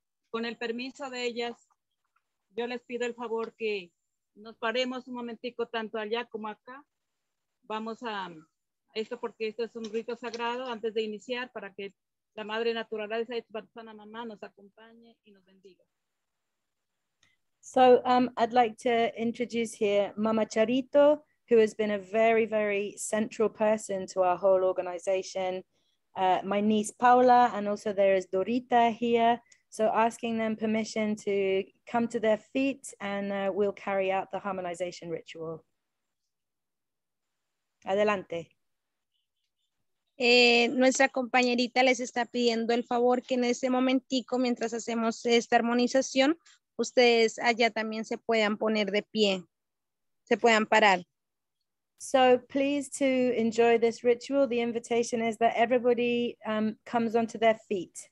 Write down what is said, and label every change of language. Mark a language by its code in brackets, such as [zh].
[es] Con el permiso de ellas, yo les pido el favor que nos paremos un momentico tanto allá como acá. Vamos a esto, porque esto es un rito sagrado antes de iniciar, para que la madre naturaleza y Tzvartzana mamá nos acompañe y nos bendiga. [en] So I'd like to introduce here Mama Charito, who has been a very, very central person to our whole organization. My niece Paula, and also there is Dorita here. So asking them permission to come to their feet, and we'll carry out the harmonization ritual. [es] Adelante. Nuestra compañerita les está pidiendo el favor que en ese momentico, mientras hacemos esta armonización, ustedes allá también se puedan poner de pie, se puedan parar. [en] So please to enjoy this ritual. The invitation is that everybody comes onto their feet.